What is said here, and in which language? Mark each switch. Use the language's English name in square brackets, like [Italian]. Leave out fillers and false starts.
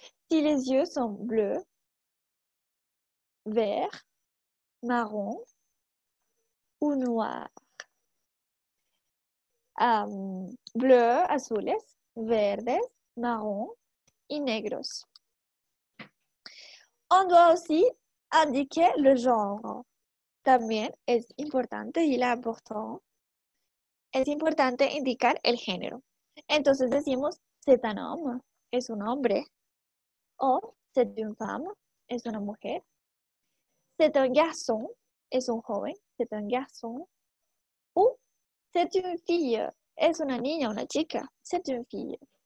[French] Si les yeux sont bleus, verts, marrons ou noirs. [Spanish] Bleus, azules, verdes, marrons et negros. [French] On doit aussi indiquer le genre. [Spanish] También es importante, y la importante, es importante indicar el género. Entonces decimos, [French] c'est un homme, [Spanish] es un hombre. [French] O, c'est une femme, [Spanish] es una mujer. [French] C'est un garçon, [Spanish] es un joven, [French] c'est un garçon. Ou, c'est une fille, [Spanish] es una niña, una chica, [French] c'est une fille.